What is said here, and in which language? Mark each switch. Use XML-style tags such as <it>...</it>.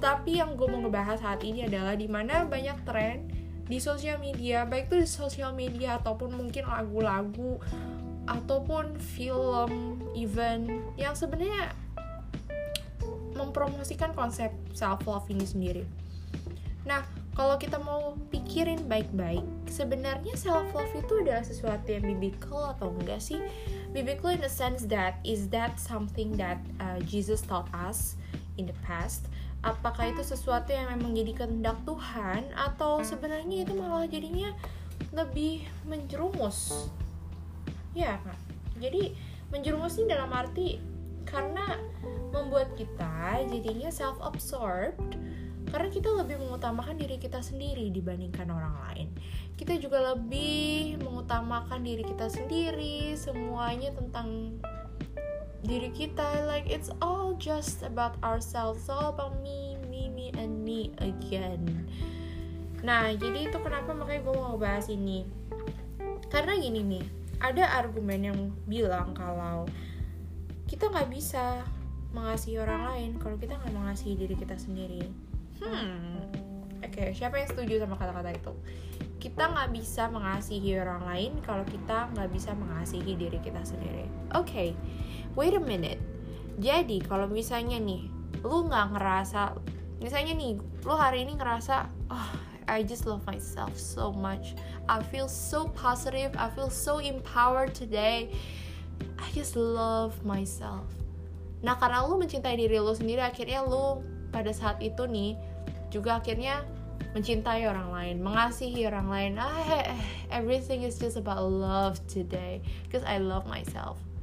<id>Tapi yang gue mau ngebahas saat ini adalah di mana banyak tren di sosial media, baik itu di sosial media ataupun mungkin lagu-lagu ataupun film, event yang sebenarnya mempromosikan konsep self love ini sendiri. Nah, kalau kita mau pikirin baik-baik, sebenarnya self-love itu adalah sesuatu yang biblical atau enggak sih?</id> <en>Biblical in the sense that, is that something that Jesus taught us in the past?</en> <id>Apakah itu sesuatu yang memang jadi kehendak Tuhan? Atau sebenarnya itu malah jadinya lebih menjerumus? Ya, jadi menjerumus ini dalam arti karena membuat kita jadinya self-absorbed, karena kita lebih mengutamakan diri kita sendiri dibandingkan orang lain. Kita juga lebih mengutamakan diri kita sendiri, semuanya tentang diri kita.</id> <en>Like, it's all just about ourselves, all about me, me, me, and me again.</en> <id>Nah, jadi itu kenapa makanya gue mau bahas ini. Karena gini nih, ada argumen yang bilang kalau kita gak bisa mengasihi orang lain kalau kita gak mengasihi diri kita sendiri. Okay, siapa yang setuju sama kata-kata itu? Kita gak bisa mengasihi orang lain kalau kita gak bisa mengasihi diri kita sendiri.</id> <en>Okay, wait a minute.</en> <id>Jadi, kalau misalnya nih, lu gak ngerasa, misalnya nih, lu hari ini ngerasa, oh,</id> <en>I just love myself so much. I feel so positive. I feel so empowered today. I just love myself.</en> <id>Nah, karena lu mencintai diri lu sendiri, akhirnya lu pada saat itu nih juga akhirnya mencintai orang lain, mengasihi orang lain.</id> <en>Everything is just about love today, cause I love myself.</en>